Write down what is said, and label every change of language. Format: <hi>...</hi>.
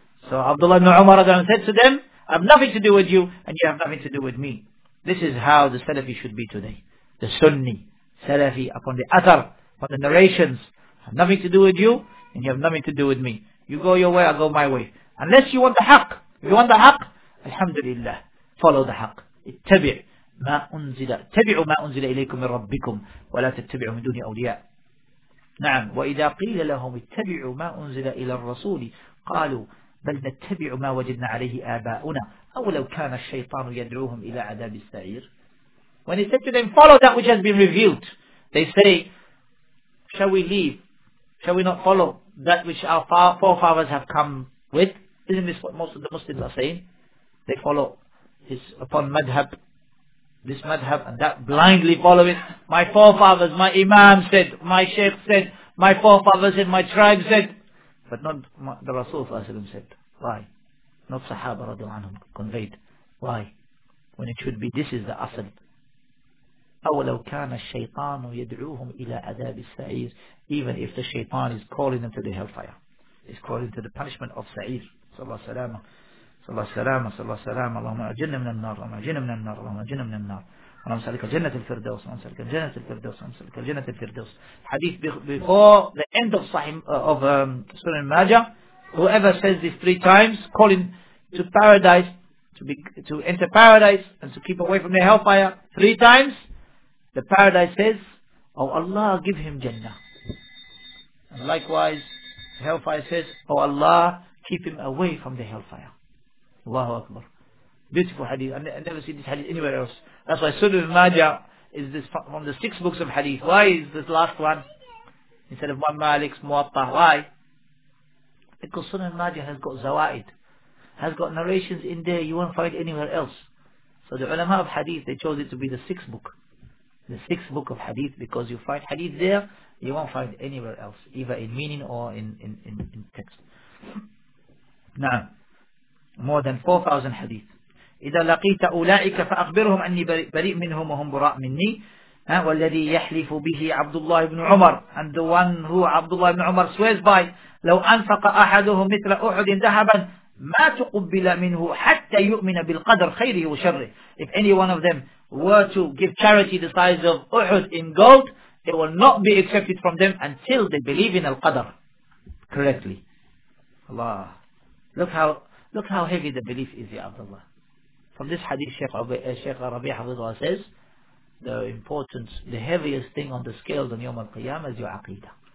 <en>So Abdullah ibn Umar said to them, I have nothing to do with you and you have nothing to do with me. This is how the Salafi should be today. The Sunni, Salafi upon the Athar, upon the narrations. I have nothing to do with you and you have nothing to do with me. You go your way, I go my way. Unless you want the Haqq. If you want the Haqq, Alhamdulillah, follow the Haqq.</en> <ar>اتبع ما أنزل اتبعوا ما أنزل إليكم من ربكم ولا تتبعوا من دون أولياء. نعم. وإذا قيل لهم اتبعوا ما أنزل إلى الرسول قالوا بل نتبع ما وجدنا عليه آباؤنا أو لو كان الشيطان يدعوهم إلى عذاب السعير.</ar> <en>When he said to them, follow that which has been revealed, they say, shall we leave? Shall we not follow that which our forefathers have come with? Isn't this what most of the Muslims are saying? They follow his upon madhab, this madhab and that, blindly follow it. My forefathers, my imam said, my sheikh said, my forefathers said, my tribe said. But not the Rasul said. Why? Not Sahaba radiallahu anhum conveyed. Why? When it should be, this is the asal.</en> <ar>أَوَلَوْ كَانَ الشَّيْطَانُ يَدْعُوهُمْ إِلَىٰ عَذَابِ السَّعِيرِ.</ar> <en>Even if the shaytan is calling them to the hellfire, is calling to the punishment of Sa'ir, sallallahu alayhi wa sallam.</en> <ar>صلى الله سلامة صلى الله سلامة اللهم أجنا من النار اللهم أجنا من النار اللهم أجنا من النار اللهم سألك الجنة الفردوس اللهم سألك الجنة الفردوس اللهم سألك الجنة الفردوس.</ar> <en>Hadith before the end of Sunan Majah, whoever says this three times, calling to paradise, to enter paradise and to keep away from the hellfire three times, the paradise says, oh Allah, give him Jannah. And likewise, the hellfire says, oh Allah, keep him away from the hellfire. Allahu Akbar. Beautiful hadith. I never see this hadith anywhere else. That's why Sunan Majah is this from the six books of hadith. Why is this last one instead of one Malik's Muwatta? Why? Because Sunan Majah has got zawaid, has got narrations in there you won't find anywhere else. So the ulama of hadith, they chose it to be the sixth book. The sixth book of hadith, because you find hadith there, you won't find anywhere else, either in meaning or in text. Na'am. More than 4,000 hadith.</en> <ar>إذا لقيت أولئك فأخبرهم أني بريء منهم وهم براء مني. والذي يحلف به عبد الله بن عمر.</ar> <en>And the one who</en> <ar>عبد الله بن عمر</ar> <en>swears by,</en> <ar>لو أنفق أحدهم مثل أحد ذهبا ما تقبل منه حتى يؤمن بالقدر خيره وشره.</ar> <en>If any one of them were to give charity the size of Uhud in gold, it will not be accepted from them until they believe in al-Qadr correctly. Allah. Look how heavy the belief is, Ya Abdullah. From this hadith, Shaykh Rabi' Hafizullah says, the importance, the heaviest thing on the scales on Yawm al-Qiyamah is your aqeedah.</en>